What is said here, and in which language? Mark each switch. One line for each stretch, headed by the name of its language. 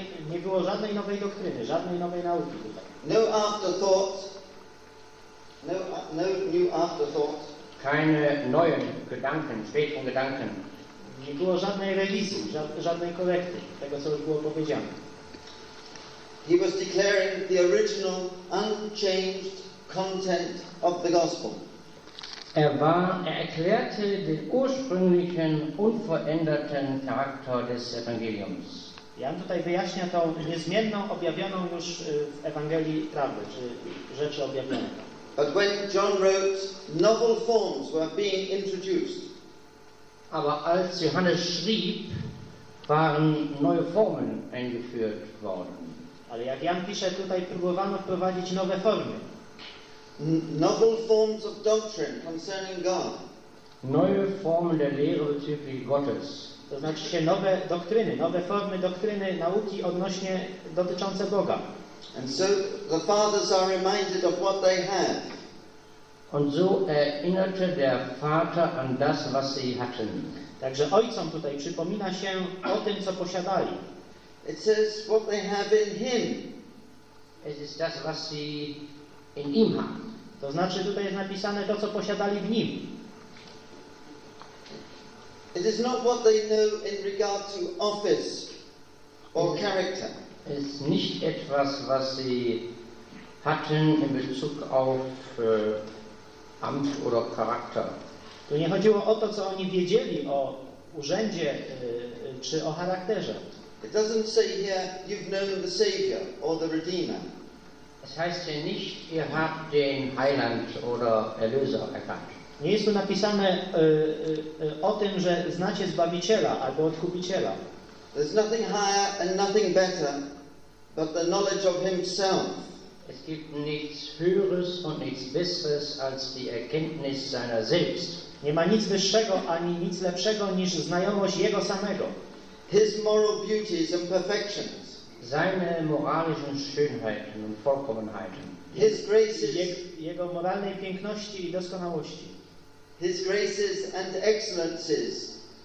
Polish: Nie było żadnej nowej doktryny, żadnej nowej nauki tutaj.
English: No afterthought. No new afterthought.
German: Keine neuen Gedanken, späteren Gedanken.
Polish: Nie było żadnej rewizji, żadnej korekty tego, co już było powiedziane.
English: He was declaring the original, unchanged content of the gospel.
German: Er erklärte den ursprünglichen, unveränderten Charakter des Evangeliums.
Polish: Jan tutaj wyjaśnia tą niezmienną, objawioną już w Ewangelii prawdę, czy rzeczy objawione.
English: But when John wrote, novel forms were being introduced.
German: Aber als Johannes schrieb, waren neue Formen eingeführt worden.
Polish: Ale jak Jan pisze, tutaj próbowano wprowadzić nowe formy.
English: Novel forms of doctrine concerning God.
German: Neue Formen der Lehre bezüglich Gottes.
Polish: To znaczy się nowe doktryny, nowe formy doktryny, nauki odnośnie dotyczące Boga.
English: And so the fathers are reminded of what they had.
German: Und so erinnerte der Vater an das, was sie hatten.
Polish: Także ojcom tutaj przypomina się o tym, co posiadali.
English: It says what they have in him.
German: es ist das, was sie in ihm haben.
Polish: To znaczy, tutaj jest napisane to, co posiadali w nim.
English: It is not what they know in regard to office or character.
German: Es ist nicht etwas, was sie hatten in Bezug auf Amt oder Charakter.
Polish: Tu nie chodziło o to, co oni wiedzieli o urzędzie czy o charakterze.
English: It doesn't say here you've known the Savior or the Redeemer.
German: Es heißt hier nicht, ihr habt den Heiland oder Erlöser erkannt.
Polish: Nie jest tu napisane o tym, że znacie Zbawiciela albo Odkupiciela.
English: There's nothing higher and nothing better but the knowledge of himself.
German: Es gibt nichts Höheres und nichts Besseres als die Erkenntnis seiner selbst.
Polish: Nie ma nic wyższego ani nic lepszego niż znajomość jego samego.
English: His moral beauties and perfections.
German: Seine moralischen Schönheiten und Vollkommenheiten.
English: His graces.
Polish: Jego moralnej piękności i doskonałości.
English: His graces and excellences.